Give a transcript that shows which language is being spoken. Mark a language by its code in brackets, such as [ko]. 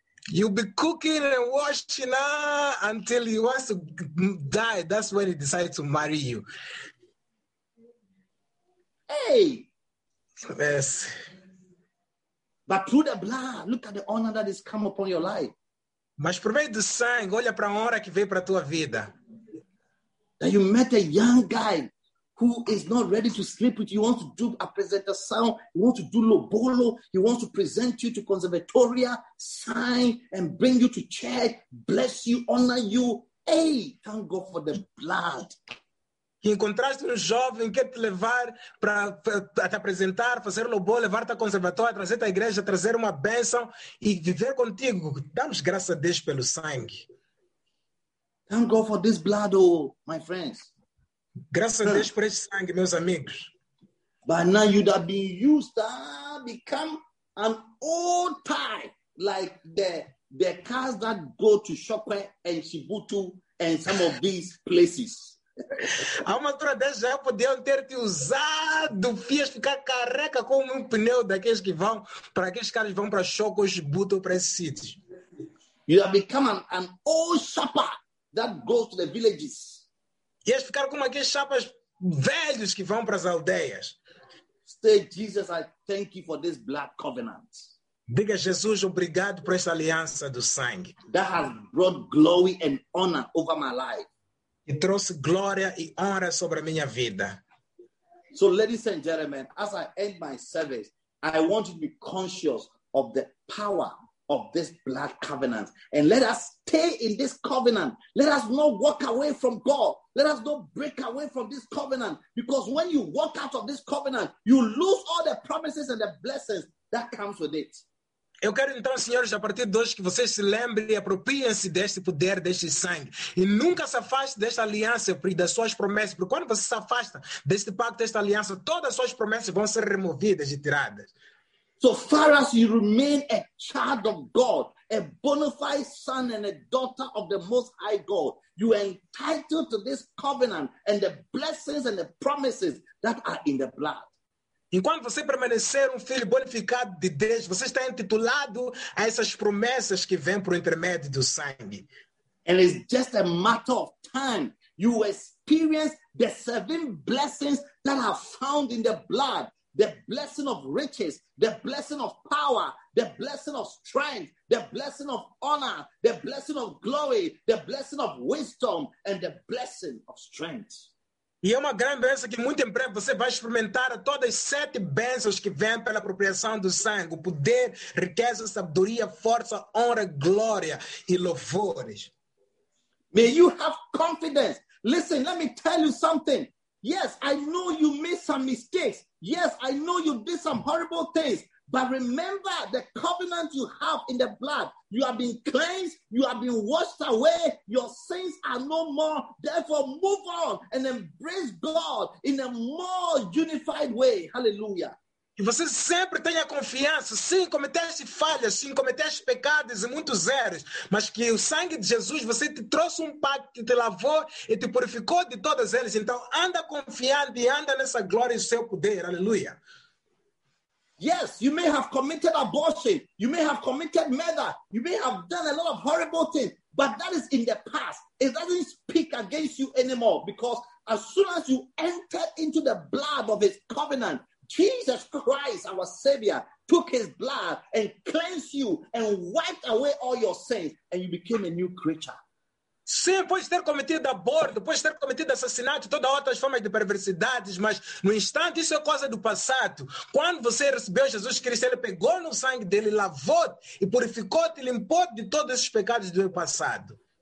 [en] You'll be cooking and washing until he wants to die. That's when he decides to marry you. Hey! Yes. But through the blood, look at the honor that has come upon your life. [pt] Mas por meio do sangue, olha para a honra que veio para a tua vida. [en] That you met a young guy who is not ready to sleep with you. He wants to do a presentação, he wants to do lobolo, he wants to present you to conservatoria, sign and bring you to church, bless you, honor you. Hey, thank God for the blood. [pt] Que encontraste jovem que te levar para te apresentar, fazer lobolo, levar-te a conservatório, trazer-te à igreja, trazer uma bênção e viver contigo. Damos graças a Deus pelo sangue. [en] Thank God for this blood, oh, my friends. [pt] Graças a Deus por esse sangue, meus amigos. [en] But now you'd have been used to become an old tie, like the cars that go to Shokwe and Shibutu and some of these places. [pt] Há uma altura dessa já podiam ter te usado, fias, ficar careca como um pneu daqueles que vão, para aqueles caras que vão para Shokwe, Shibutu, para esses sítios. [en] You'd have become an old shopper that goes to the villages. [pt] Ias ficar como aqueles chapas velhos que vão para as aldeias. [en] Say, Jesus, I thank you for this blood covenant. [pt] Diga, Jesus, obrigado por esta aliança do sangue. [en] That has brought glory and honor over my life. [pt] E trouxe glória e honra sobre a minha vida. [en] So, ladies and gentlemen, as I end my service, I want you to be conscious of the power of this blood covenant. And let us stay in this covenant. Let us not walk away from God. Let us not break away from this covenant. Because when you walk out of this covenant, you lose all the promises and the blessings that comes with it. [pt] Eu quero então, senhores, a partir de hoje, que vocês se lembrem e apropriem-se deste poder, deste sangue. E nunca se afaste desta aliança e das suas promessas. Porque quando você se afasta deste pacto, desta aliança, todas as suas promessas vão ser removidas e tiradas. [en] So far as you remain a child of God, a bona fide son and a daughter of the Most High God, you are entitled to this covenant and the blessings and the promises that are in the blood. [pt] Enquanto você permanecer filho bonificado de Deus, você está intitulado a essas promessas que vêm por intermédio do sangue. [en] And it's just a matter of time. You experience the seven blessings that are found in the blood. The blessing of riches, the blessing of power, the blessing of strength, the blessing of honor, the blessing of glory, the blessing of wisdom, and the blessing of strength. [pt] E é uma grande bênção que muito em breve você vai experimentar todas as sete bênçãos que vêm pela apropriação do sangue: poder, riqueza, sabedoria, força, honra, glória e louvores. [en] May you have confidence. Listen, let me tell you something. Yes, I know you made some mistakes. Yes, I know you did some horrible things. But remember the covenant you have in the blood. You have been cleansed. You have been washed away. Your sins are no more. Therefore, move on and embrace God in a more unified way. Hallelujah. [pt] E você sempre tenha confiança, sim, cometeste falhas, sim, cometeste pecados e muitos erros, mas que o sangue de Jesus, você te trouxe um pacto, que te lavou e te purificou de todas elas. Então, anda confiante e anda nessa glória e seu poder. Aleluia. [en] Yes, you may have committed abortion, you may have committed murder, you may have done a lot of horrible things, but that is in the past. It doesn't speak against you anymore, because as soon as you enter into the blood of his covenant, Jesus Christ, our Savior, took his blood and cleansed you and wiped away all your sins, and you became a new creature. [pt] Sim, pode ter cometido aborto, pode ter cometido assassinato, todas outras formas de perversidades, mas no instante isso é coisa do passado. Quando você recebeu Jesus Cristo, ele pegou no sangue dele, lavou-te e purificou-te, limpou-te de todos esses pecados do passado.